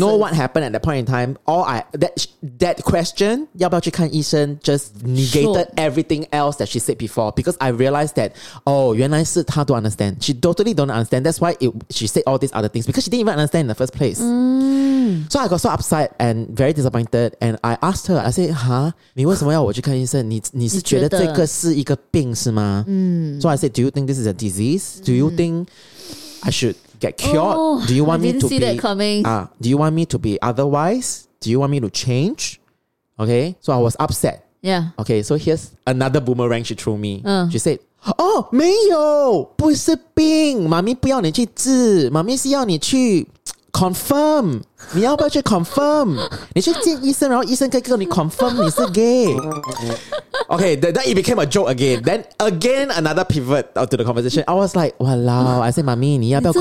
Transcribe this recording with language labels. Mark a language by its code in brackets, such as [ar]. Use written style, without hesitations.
[en] Know what happened at that point in time. That question, [zh] 要不要去看医生, [en] just negated everything else that she said before. Because I realized that, oh, [zh] 原来是她 [en] don't understand. She totally don't understand. That's why she said all these other things. Because she didn't even understand in the first place. So I got so upset and very disappointed. And I asked her, I said, huh? [zh] 你为什么要我去看医生?你是觉得这个是一个病是吗? [en] So I said, do you think this is a disease? Do you think I should... get cured do you want me to see that coming. Do you want me to be otherwise do you want me to change okay so I was upset yeah okay so here's another boomerang she threw me she said oh [zh] 没有不是病妈咪不要你去治妈咪是要你去 [en] confirm [zh] 你要不要去 [en] confirm [zh] 你去见医生然后医生可以跟你 [en] confirm [zh] 你是 [en] gay okay then it became a joke again then again another pivot to the conversation I was like walao I said mommy [zh] 你要不要